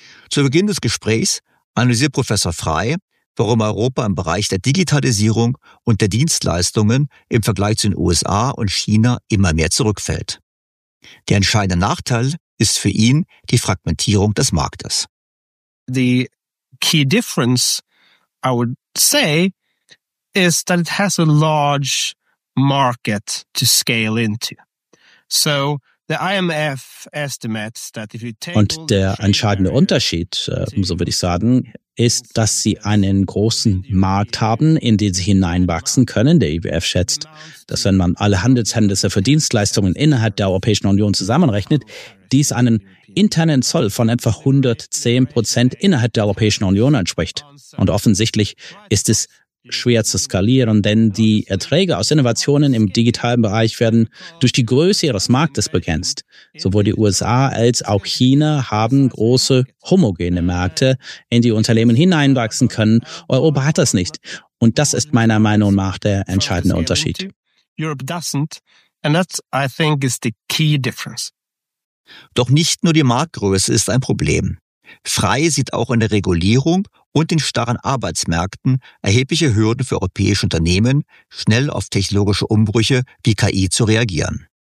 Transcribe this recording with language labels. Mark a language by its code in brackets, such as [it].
[de] Zu Beginn des Gesprächs analysiert Professor Frey, warum Europa im Bereich der Digitalisierung und der Dienstleistungen im Vergleich zu den USA und China immer mehr zurückfällt. Der entscheidende Nachteil ist für ihn die Fragmentierung des Marktes. [en] The key difference, I would say, is that it has a large market to scale into. So [de] Und der entscheidende Unterschied, so würde ich sagen, ist, dass sie einen großen Markt haben, in den sie hineinwachsen können. Der IWF schätzt, dass wenn man alle Handelshemmnisse für Dienstleistungen innerhalb der Europäischen Union zusammenrechnet, dies einen internen Zoll von etwa 110% innerhalb der Europäischen Union entspricht. Und offensichtlich ist es schwer zu skalieren, denn die Erträge aus Innovationen im digitalen Bereich werden durch die Größe ihres Marktes begrenzt. Sowohl die USA als auch China haben große homogene Märkte, in die Unternehmen hineinwachsen können. Europa hat das nicht. Und das ist meiner Meinung nach der entscheidende Unterschied. [en] Europe doesn't. And that, I think, is the key difference. [de] Doch nicht nur die Marktgröße ist ein Problem. Frei sieht auch in der Regulierung und den starren Arbeitsmärkten erhebliche Hürden für europäische Unternehmen, schnell auf technologische Umbrüche wie KI zu reagieren.